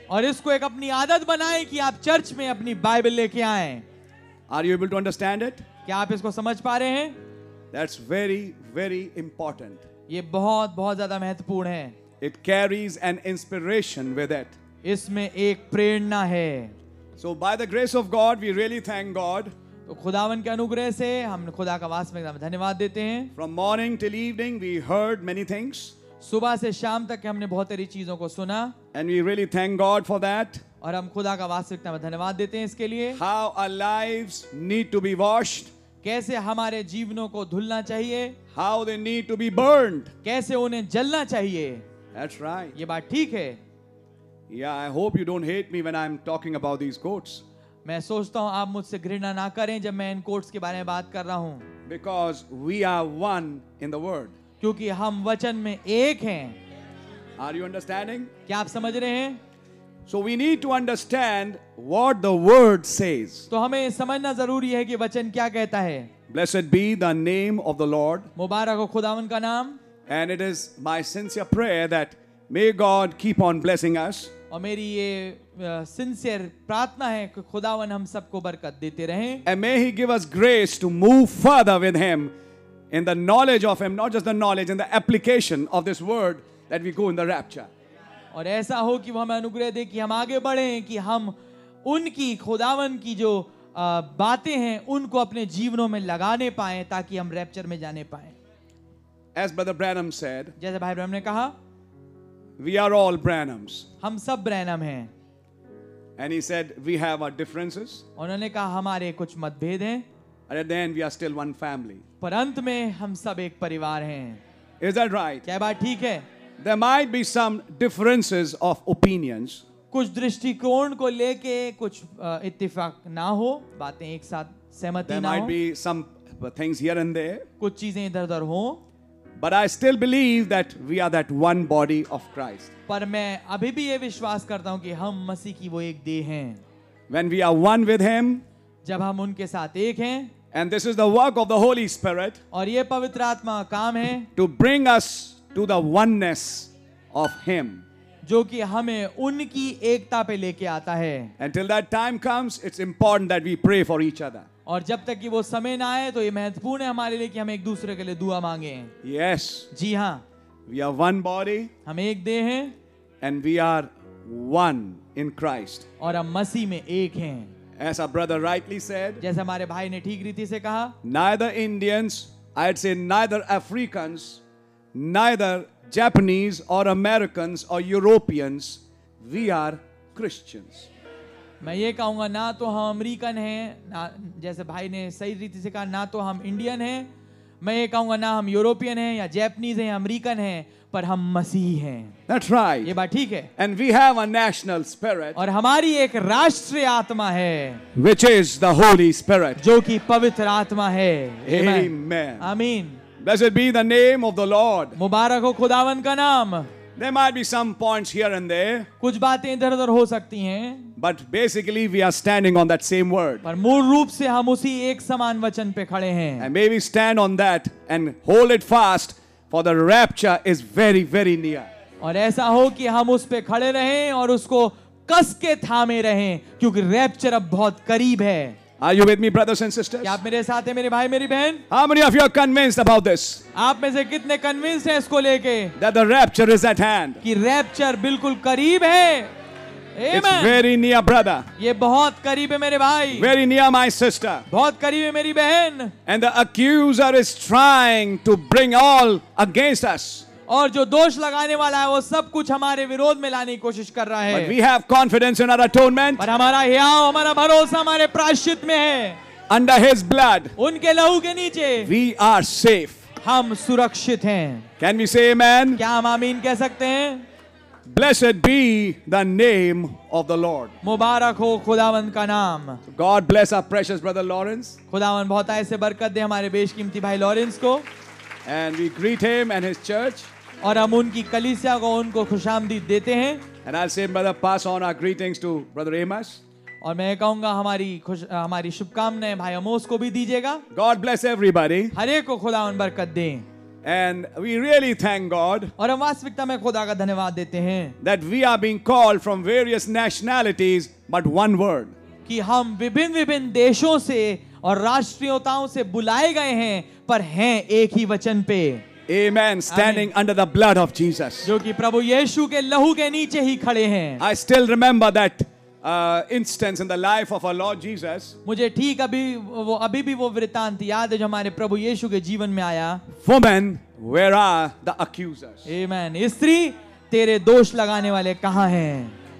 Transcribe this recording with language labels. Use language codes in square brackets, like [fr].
[hi] और इसको एक अपनी आदत बनाएं कि आप चर्च में अपनी बाइबल लेके आएं. [en] Are you able to understand it? [hi] क्या आप इसको समझ पा रहे हैं? [en] That's very, very important. [hi] ये बहुत बहुत ज्यादा महत्वपूर्ण है. [en] It carries an inspiration with it. [hi] इसमें एक प्रेरणा है. [en] So by the grace of God, we really thank God. [hi] तो खुदावन के अनुग्रह से हम खुदा का वास्तव में धन्यवाद देते हैं. [en] From morning till evening, we heard many things. [hi] सुबह से शाम तक हमने बहुत सारी चीजों को सुना. [en] And we really thank God for that. [hi] और हम खुदा का वास्तव में धन्यवाद देते हैं इसके लिए. [en] How our lives need to be washed. [hi] कैसे हमारे जीवनों को धुलना चाहिए. [en] How they need to be burned. [hi] कैसे उन्हें जलना चाहिए. [en] That's right. [hi] ये बात ठीक है. [en] Yeah, I hope you don't hate me when I'm talking about these quotes. [hi] मैं सोचता हूँ आप मुझसे घृणा ना करें जब मैं इन quotes के बारे में बात कर रहा हूँ. [en] Because we are one in the word. [hi] क्योंकि हम वचन में एक हैं. [en] Are you understanding? [hi] क्या आप समझ रहे हैं? [en] So we need to understand what the word says. [hi] तो हमें समझना जरूरी है कि वचन क्या कहता है. [en] Blessed be the name of the Lord. [hi] मुबारक हो खुदावन का नाम. [en] And it is my sincere prayer that may God keep on blessing us. [hi] और मेरी ये [en] sincere [hi] प्रार्थना है कि खुदावन हम सबको बरकत देते रहें. [en] And may He give us grace to move further with Him in the knowledge of Him, not just the knowledge, in the application of this word that we go in the rapture. [hi] और ऐसा हो कि वो हमें अनुग्रह दे कि हम आगे बढ़ें कि हम उनकी खुदावन की जो बातें हैं उनको अपने जीवनों में लगाने पाएं ताकि हम रैप्चर में जाने पाएं. [en] As Brother Branham said, [hi] जैसे भाई ब्रैनम ने कहा, [en] we are all Branhams. [hi] हम सब ब्रैनम हैं. [en] And he said, we have our differences. [hi] उन्होंने कहा हमारे कुछ मतभेद हैं. [en] And at the end, we are still one family. [hi] पर अंत में हम सब एक परिवार हैं. [en] Is that right? [hi] क्या बात ठीक है? [en] There might be some differences of opinions. [hi] कुछ दृष्टिकोण को लेके कुछ इत्तेफाक ना हो, बातें एक साथ सहमति ना हो. [en] There might be some things here and there. [hi] कुछ चीजें इधर उधर हो. [en] But I still believe that we are that one body of Christ. [hi] पर मैं अभी भी ये विश्वास करता हूँ कि हम मसीह की वो एक देह हैं. [en] When we are one with Him. [hi] जब हम उनके साथ एक हैं. [en] And this is the work of the Holy Spirit. [hi] और ये पवित्र आत्मा काम है. [en] To bring us to the oneness of Him. [hi] जो कि हमें उनकी एकता पे लेके आता है. [en] Until that time comes, it's important that we pray for each other. [hi] और जब तक कि वो समय ना आए तो ये महत्वपूर्ण है हमारे लिए कि हम एक दूसरे के लिए दुआ मांगे. [en] Yes. [hi] जी हाँ. [en] We are one body. [hi] हम एक देह हैं. [en] And we are one in Christ. [hi] और हम मसीह में एक हैं. [en] As our brother rightly said. [hi] जैसे हमारे भाई ने ठीक रीति से कहा. [en] Neither Indians, I'd say neither Africans, neither Japanese or Americans or Europeans, we are Christians. [hi] मैं ये कहूंगा ना तो हम अमेरिकन हैं, ना जैसे भाई ने सही रीति से कहा ना तो हम इंडियन हैं. मैं ये कहूंगा ना हम यूरोपियन हैं या जैपनीज हैं या अमेरिकन हैं, पर हम मसीह हैं. [en] That's right. [hi] ये बात ठीक है. [en] And we have a national spirit. [hi] और हमारी एक राष्ट्रीय आत्मा है. [en] Which is the Holy Spirit. [hi] जो कि पवित्र आत्मा है. [en] Amen. [hi] आमीन. [en] Blessed be the name of the Lord. [hi] मुबारक हो खुदावन का नाम. [en] There might be some points here and there. [hi] कुछ बातें इधर उधर हो सकती हैं. [en] But basically, we are standing on that same word. [hi] पर मूल रूप से हम उसी एक समान वचन पे खड़े हैं. [en] And may we stand on that and hold it fast, for the rapture is very, very near. [hi] और ऐसा हो कि हम उस पे खड़े रहें और उसको कस के थामे रहें, क्योंकि rapture अब बहुत करीब है. [en] Are you with me, brothers and sisters? [hi] क्या आप मेरे साथ हैं, मेरे भाई, मेरी बहन? [en] How many of you are convinced about this? [hi] आप में से कितने [en] convinced [hi] हैं इसको लेके? [en] That the rapture is at hand. [hi] कि rapture बिल्कुल करीब है. [en] Amen. It's very near, brother. [hi] ये बहुत करीब है मेरे भाई. [en] Very near, my sister. [hi] बहुत करीब है मेरी बहन. [en] And the accuser is trying to bring all against us. [hi] और जो दोष लगाने वाला है वो सब कुछ हमारे विरोध में लाने की कोशिश कर रहा है. [en] But we have confidence in our atonement. [hi] पर हमारा हियाव, हमारा भरोसा हमारे प्रायश्चित में है. [en] Under his blood. [hi] उनके लहू के नीचे. [en] We are safe. [hi] हम सुरक्षित हैं. [en] Can we say amen? [hi] क्या हम आमीन कह सकते हैं? [en] Blessed be the name of the Lord. [hi] मुबारक हो खुदावंद का नाम. [en] God bless our precious brother Lawrence. [hi] खुदावंद बहुत ऐसे बरकत दे हमारे बेशकीमती भाई लॉरेंस को. [en] And we greet him and his church. [hi] और हम उनकी कलीसिया को उनको खुशामदीद देते हैं. [en] And I'll say, brother, pass on our greetings to brother Amos. [hi] और मैं कहूंगा हमारी शुभकामनाएं भाई अमोस को भी दीजिएगा. [en] God bless everybody. [hi] हरेक को खुदावंद बरकत दे. [en] And we really thank God. [hi] और हम वास्तविकता में खुदा का धन्यवाद देते हैं. [en] That we are being called from various nationalities, but one word. [hi] कि हम विभिन्न विभिन्न देशों से और राष्ट्रीयताओं से बुलाए गए हैं, पर हैं एक ही वचन पे. [en] Amen. Standing Amen. Under the blood of Jesus. [hi] जो कि प्रभु यीशु के लहू के नीचे ही खड़े हैं. [en] I still remember that. Instance in the life of our Lord Jesus. [hi] मुझे ठीक अभी भी वो वृतांत याद है जो हमारे प्रभु यीशु के जीवन में आया. [en] Woman, where are the accusers? Amen. [hi] स्त्री, तेरे दोष लगाने वाले कहाँ हैं?